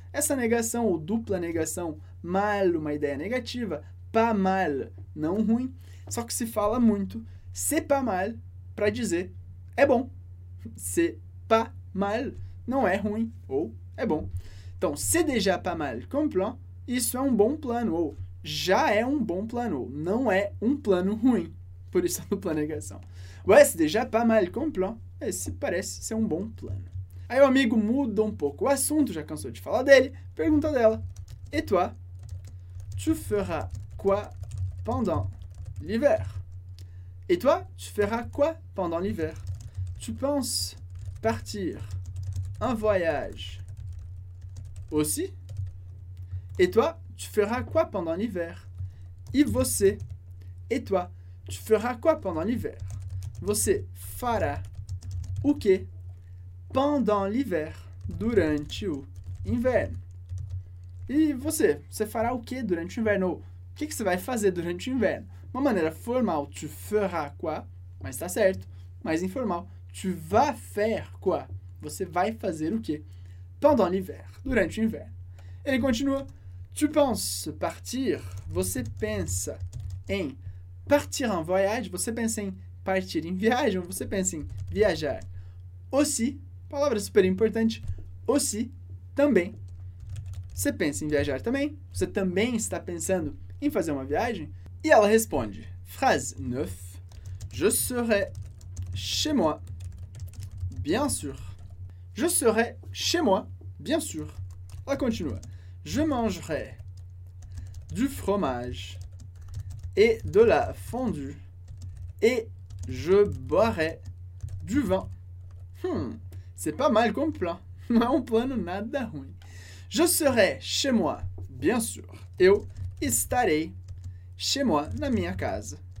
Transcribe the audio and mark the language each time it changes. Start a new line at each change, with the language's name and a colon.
Portuguese: Essa negação ou dupla negação, mal, uma ideia negativa, pas mal, não ruim, só que se fala muito
French: c'est pas mal
Portuguese: para dizer é bom.
French: C'est pas mal,
Portuguese: não é ruim ou é bom. Então,
French: c'est déjà pas mal comme plan,
Portuguese: isso é um bom plano, ou já é um bom plano, ou não é um plano ruim. Por isso a dupla negação.
French: Ouais, c'est déjà pas mal comme plan,
Portuguese: esse parece ser um bom plano. Aí o amigo muda um pouco o assunto, já cansou de falar dele, pergunta dela,
French: et toi, tu feras quoi pendant l'hiver? Et toi, tu feras quoi pendant l'hiver? Tu penses partir un voyage aussi? Et toi, tu feras quoi pendant l'hiver?
Portuguese: E você?
French: Et toi, tu feras quoi pendant l'hiver?
Portuguese: Você fará o quê
French: pendant l'hiver?
Portuguese: Durante o inverno. E você? Você fará o quê durante o inverno? O que, que você vai fazer durante o inverno? Uma maneira formal,
French: tu feras quoi,
Portuguese: mas está certo. Mais informal,
French: tu vas faire quoi?
Portuguese: Você vai fazer o quê?
French: Pendant l'hiver,
Portuguese: durante o inverno. Ele continua,
French: tu penses partir,
Portuguese: você pensa em partir
French: en voyage,
Portuguese: você pensa em partir em viagem, você pensa em viajar. Aussi, palavra super importante, aussi, também. Você pensa em viajar também, você também está pensando em fazer uma viagem? E ela responde,
French: phrase 9, je serai chez moi, bien sûr. Je serai chez moi, Bien sûr. À continuer. Je mangerai du fromage et de la fondue et je boirai du vin. C'est pas mal comme plan. Mais on plane
Portuguese: nada ruim.
French: Je serai chez moi, bien sûr.
Portuguese: Eu estarei
French: chez moi,
Portuguese: na minha casa.